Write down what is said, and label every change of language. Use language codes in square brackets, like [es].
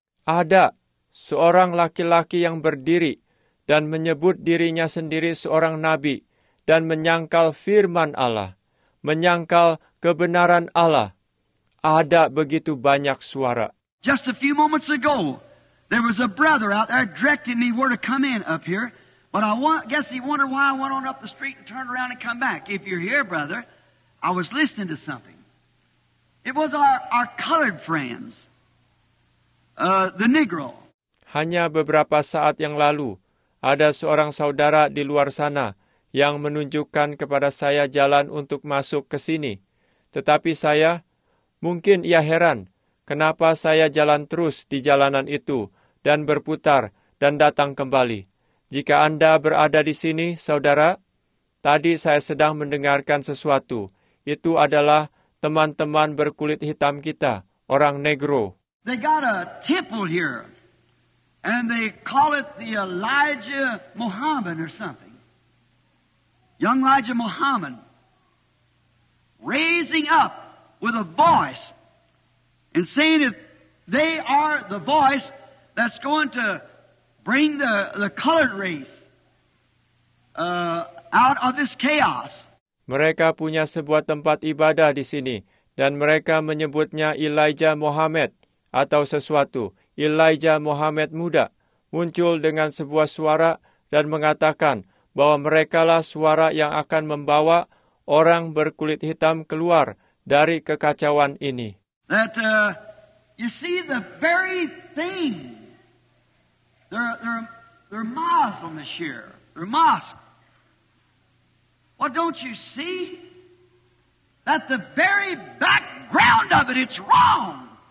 [id] Ada seorang laki-laki yang berdiri dan menyebut dirinya sendiri seorang nabi dan menyangkal firman Allah, menyangkal kebenaran Allah. Ada begitu banyak suara. [en] Just a few moments ago, there was a brother out there directing me where to come in up here, but I guess he wondered why I went on up the street and turned around and come back. If you're here, brother, I was listening to something. It was our colored friends, the Negro. [id] Hanya beberapa saat yang lalu, ada seorang saudara di luar sana yang menunjukkan kepada saya jalan untuk masuk ke sini. Tetapi saya, mungkin ia heran, kenapa saya jalan terus di jalanan itu dan berputar dan datang kembali. Jika Anda berada di sini, saudara, tadi saya sedang mendengarkan sesuatu. Itu adalah teman-teman berkulit hitam kita, orang Negro. [en] They got a temple here, and they call it the Elijah Muhammad or something. Young Elijah Muhammad, raising up with a voice and saying that they are the voice that's going to bring the colored race out of this chaos. [id] Mereka punya sebuah tempat ibadah di sini. Dan mereka menyebutnya Elijah Muhammad atau sesuatu. Elijah Muhammad muda muncul dengan sebuah suara dan mengatakan bahwa merekalah suara yang akan membawa orang berkulit hitam keluar dari kekacauan ini. [en] That you see the very thing. They're Muslim this year. They're mosque. What don't you see? That the very background of it, it's wrong.